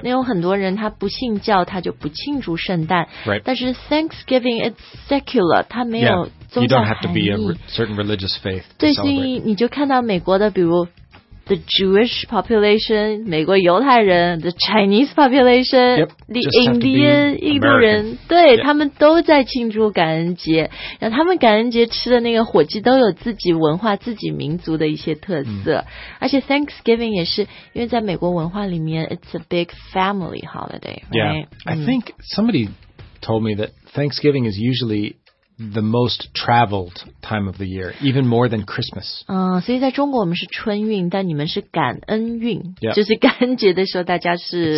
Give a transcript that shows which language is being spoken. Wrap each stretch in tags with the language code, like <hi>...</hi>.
<zh>那有很多人他不信教他就不庆祝圣诞、</zh> <en>right.</en> <zh>但是 Thanksgiving</zh> <en>It's secular</en> <zh>它没有、</zh> <en>yeah. You don't have to be a certain religious faith to celebrate.</en> <zh>对，所以你就看到美国的，比如</zh> <en>the Jewish population,</en> <zh>美国犹太人</zh> <en>the Chinese population, yep,</en> <zh>the Indian, 印度人，对、yep. 他们都在庆祝感恩节，然后他们感恩节吃的那个火鸡都有自己文化、自己民族的一些特色。而且 Thanksgiving 也是，因为在美国文化里面</zh> <en>it's a big family holiday, right? Yeah, I think somebody told me that Thanksgiving is usually... the most traveled time of the year, even more than Christmas.</en> <zh>所以在中国我们是春运但你们是感恩运、</zh> <en>yep.</en> <zh>就是感恩节的时候大家是</zh>